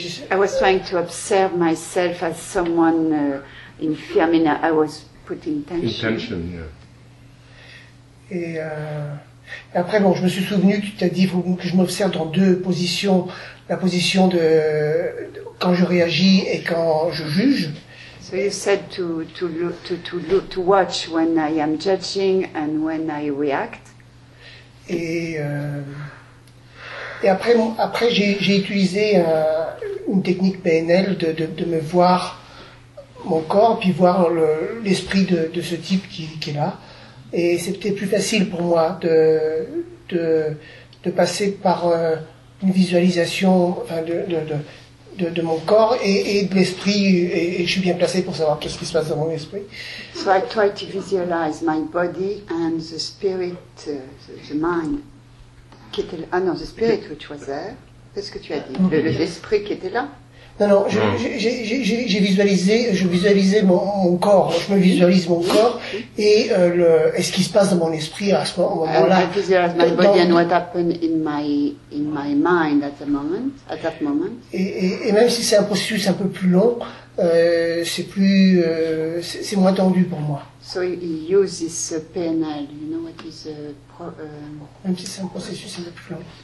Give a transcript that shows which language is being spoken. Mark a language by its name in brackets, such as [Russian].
[English] I was trying to observe myself as someone in femina. I was putting tension. Intention, yeah. [French] Et après, bon, je me suis souvenu que tu as dit faut que je m'observe dans deux positions, la position de quand je réagis et quand je juge. [English] So you said to watch when I am judging and when I react. [French] Et après, bon, après j'ai utilisé une technique PNL de me voir mon corps, puis voir l'esprit de ce type qui est là. Et c'était plus facile pour moi de passer par une visualisation de mon corps et de l'esprit. Et je suis bien placé pour savoir qu'est-ce qui se passe dans mon esprit. [English] So I try to visualize my body and the spirit, the mind. [French] Qui était là. Ah non, [English] the spirit which was there. [French] Qu'est-ce que tu as dit? Le l'esprit qui était là? Non, je visualisais mon corps. Je me visualise mon corps et ce qui se passe dans mon esprit à ce moment-là. [English] I visualize my body and what happened in my mind at that moment. [French] Et même si c'est un processus un peu plus long, c'est moins tendu pour moi. [English] So you use this PNL. You know what is [French] Même si c'est un processus un peu plus long.